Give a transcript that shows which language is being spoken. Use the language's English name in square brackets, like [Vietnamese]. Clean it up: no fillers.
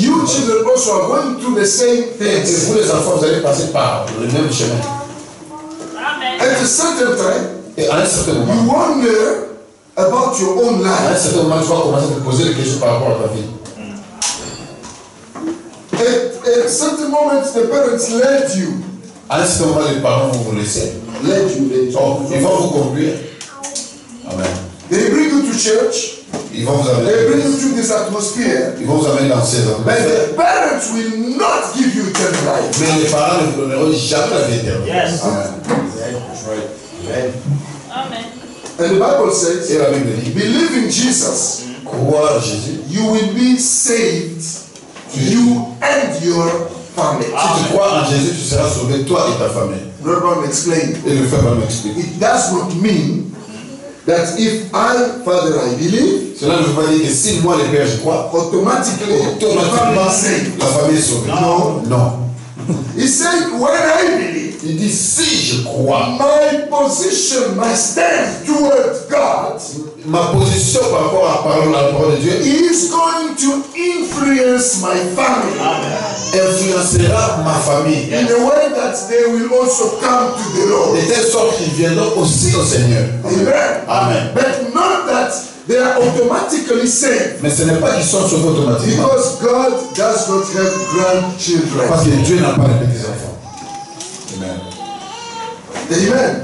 [English] You children also are going through the same things. [French] Et vous les enfants, vous allez passer par le même chemin. Amen. [English] At a certain time. [French] Et à un certain moment. [English] You wonder about your own life. [French] À un certain moment, tu vas commencer à te poser des questions par rapport à ta vie. [English] At a certain moment, the parents let you. [French] À un certain moment, les parents vont vous laisser. [English] Let you. [French] Ils vont vous conduire. Amen. [English] They bring you to church. [French] Ils vont vous amener. [English] They bring you to this atmosphere. [French] Ils vont vous amener dans cette atmosphère. [English] But the parents will not give you eternal life. [French] Mais les parents ne vous donneront jamais la vie éternelle. [English] Yes. Amen. And the Bible says, [French] et la Bible dit, [English] believe in Jesus, [French] crois en Jésus, [English] you will be saved, you and your family. [French] Amen. Si tu crois en Jésus, tu seras sauvé, toi et ta famille. [English] Robert explained. [French] Et le frère m'explique. [English] It does not mean that if I, Father, I believe, [French] cela ne veut pas dire que si moi, le Père, je crois, automatiquement, la famille est sauvée. Non. Non. [English] He said, when I believe, [French] il dit, si je crois, [English] my position, my stand towards God, [French] ma position par rapport à la parole de Dieu, [English] is going to influence my family. Amen. [French] Influencera ma famille. [English] In the way that they will also come to the Lord. [French] De telle sorte qu'ils viendront aussi au Seigneur. Amen. Amen. [English] But not that they are automatically saved. [French] Mais ce n'est pas qu'ils sont sauvés automatiquement. [English] Because God does not have grandchildren. [French] Parce que Dieu n'a pas de petits enfants. Amen.